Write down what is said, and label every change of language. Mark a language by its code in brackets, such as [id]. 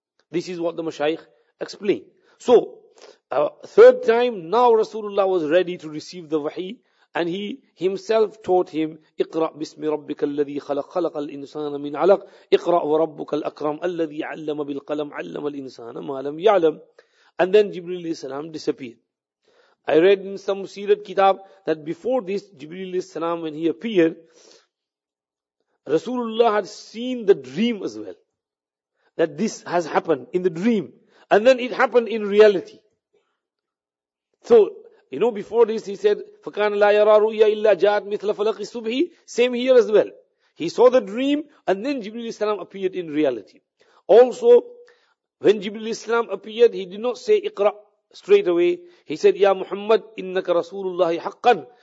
[en] This is what the mashayikh explain. So, third time, now Rasulullah was ready to receive the wahi, and he himself taught him, [ar] اقرأ بسم ربك الذي خلق خلق الإنسان من علق اقرأ وربك الأكرم الذي علم بالقلم علم الإنسان ما لم يعلم. [en] And then Jibreel alayhi salam disappeared. I read in some seerat kitab that before this, Jibreel alayhi salam, when he appeared, Rasulullah had seen the dream as well. That this has happened in the dream. And then it happened in reality. So, you know, before this he said, [ar] فَكَانَ لَا يَرَى رُؤْيَا إِلَّا جَاءَتْ مِثْلَ فَلَقِ الصُّبْحِ. [en] Same here as well. He saw the dream and then Jibreel alayhi salam appeared in reality. Also, when Jibreel alayhi salam appeared, he did not say اقرأ. Straight away, he said, Ya Muhammad, innaka Rasulullahi haqqan.